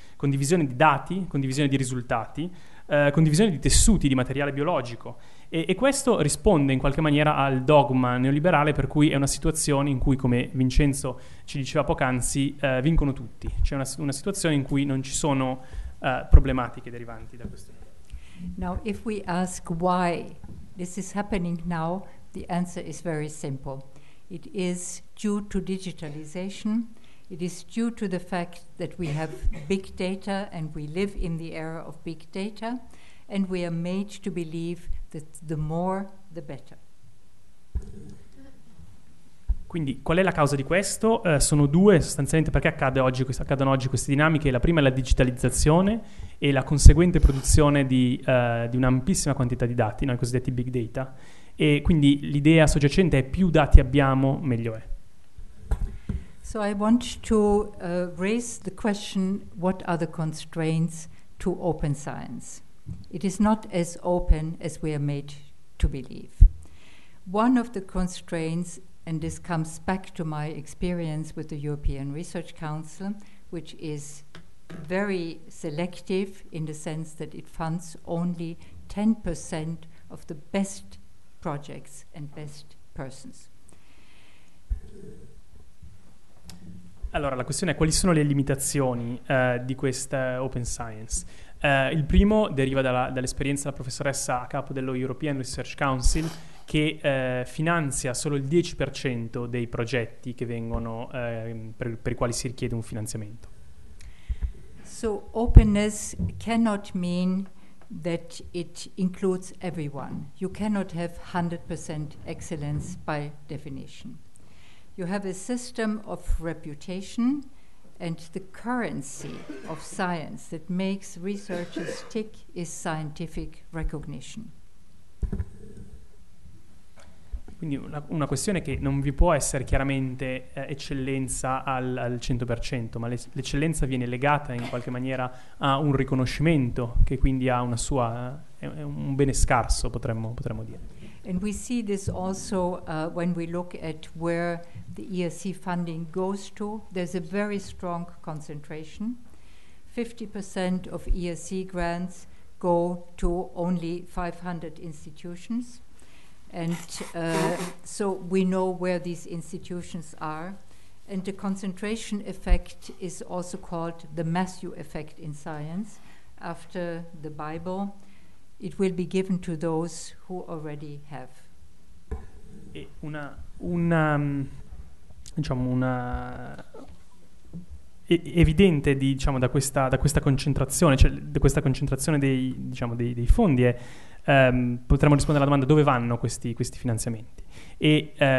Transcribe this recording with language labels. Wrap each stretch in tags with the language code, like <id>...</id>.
<it>Condivisione di dati, condivisione di risultati, condivisione di tessuti, di materiale biologico. E questo risponde in qualche maniera al dogma neoliberale, per cui è una situazione in cui, come Vincenzo ci diceva poc'anzi, vincono tutti. C'è una situazione in cui non ci sono problematiche derivanti da questo.</it> <en>Now, if we ask why this is happening now, the answer is very simple. It is due to digitalization. It is due to the fact that we have big data and we live in the era of big data, and we are made to believe that the more, the better.</en> <it>Quindi qual è la causa di questo? Sono due sostanzialmente, perché accadono oggi queste dinamiche. La prima è la digitalizzazione e la conseguente produzione di un'ampissima quantità di dati, no? I cosiddetti big data. E quindi l'idea soggiacente è: più dati abbiamo, meglio è.</it> <en>So I want to raise the question, what are the constraints to open science? It is not as open as we are made to believe. One of the constraints, and this comes back to my experience with the European Research Council, which is very selective in the sense that it funds only 10% of the best projects and best persons.</en> <it>Allora, la questione è: quali sono le limitazioni di questa open science? Il primo deriva dall'esperienza della professoressa a capo dello European Research Council, che finanzia solo il 10% dei progetti che vengono per i quali si richiede un finanziamento.</it> <en>So openness cannot mean that it includes everyone. You cannot have 100% excellence by definition. You have a system of reputation and the currency of science that makes researchers tick is scientific recognition.</en> <it>Quindi una questione che non vi può essere chiaramente eccellenza al 100%, ma l'eccellenza viene legata in qualche maniera a un riconoscimento che quindi ha una sua è un bene scarso, potremmo dire.</it> <en>And we see this also when we look at where the ERC funding goes to. There's a very strong concentration. 50% of ERC grants go to only 500 institutions. And so we know where these institutions are. And the concentration effect is also called the Matthew effect in science. After the Bible, it will be given to those who already have.</en> <it>E una evidente da questa concentrazione dei fondi è: potremmo rispondere alla domanda dove vanno questi finanziamenti, e</it>